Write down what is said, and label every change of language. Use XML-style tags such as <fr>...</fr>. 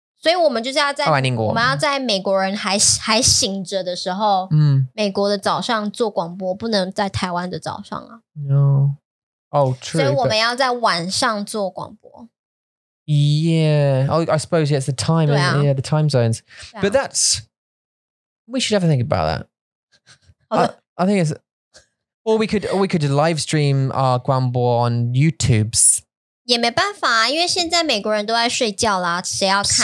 <zh>所以我们就是要在我们要在美国人还醒着的时候，美国的早上做广播，不能在台湾的早上啊。No.</zh> <en>Oh, true.</en> <zh>所以我们要在晚上做广播。</zh> <en>Yeah, I suppose yeah, it's the time, yeah, the time zones. Yeah. But that's, we should have a think about that. I think it's, or we could just live stream our Guangbo on YouTube.</en> <zh>也没办法，因为现在美国人都在睡觉啦，谁要看？</zh>